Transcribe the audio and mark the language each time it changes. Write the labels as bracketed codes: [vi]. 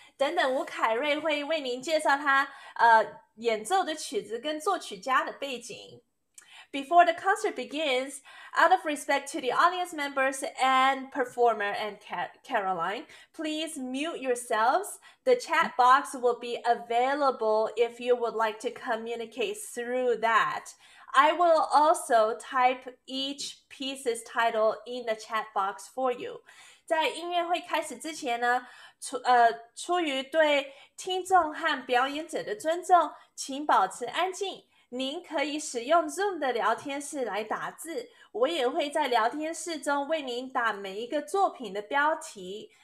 [zh] 等等，吴凯瑞会为您介绍他演奏的曲子跟作曲家的背景。 [en] Before the concert begins, out of respect to the audience members and performer and Caroline, please mute yourselves. The chat box will be available if you would like to communicate through that. I will also type each piece's title in the chat box for you. [zh] 在音乐会开始之前呢，出于对听众和表演者的尊重，请保持安静。您可以使用 Zoom 的聊天室来打字，我也会在聊天室中为您打每一个作品的标题。